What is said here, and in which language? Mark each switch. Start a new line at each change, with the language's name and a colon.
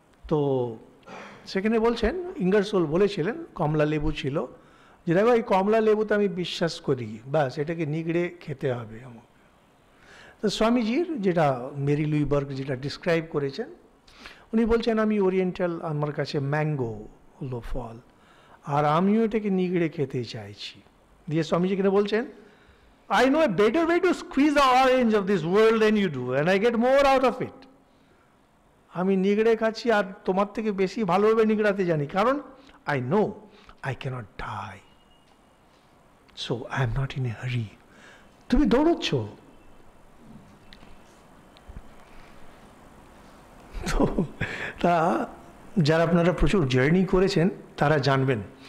Bangla: তো সেখানে বলছেন ইঙ্গার সোল বলেছিলেন, কমলা লেবু ছিল, যে দেখো এই কমলা লেবুতে আমি বিশ্বাস করি, ব্যাস এটাকে নিগড়ে খেতে হবে আমার। তো স্বামীজির যেটা মেরি লুইবার্গ যেটা ডিসক্রাইব করেছেন, উনি বলছেন আমি ওরিয়েন্টাল, আমার কাছে ম্যাঙ্গো হলো ফল, আর আমিও এটাকে নিগড়ে খেতে চাইছি। দিয়ে স্বামীজি এখানে বলছেন
English: I know a better way to squeeze the orange of this world than you do, and I get more out of it.
Bangla: আমি নিগড়ে খাচ্ছি আর তোমার থেকে বেশি ভালোভাবে নিগড়াতে জানি, কারণ
English: I know I cannot die. So I am not in a hurry.
Bangla: তুমি দৌড়চ্ছ তো, তা যারা আপনারা প্রচুর জার্নি করেছেন তারা জানবেন।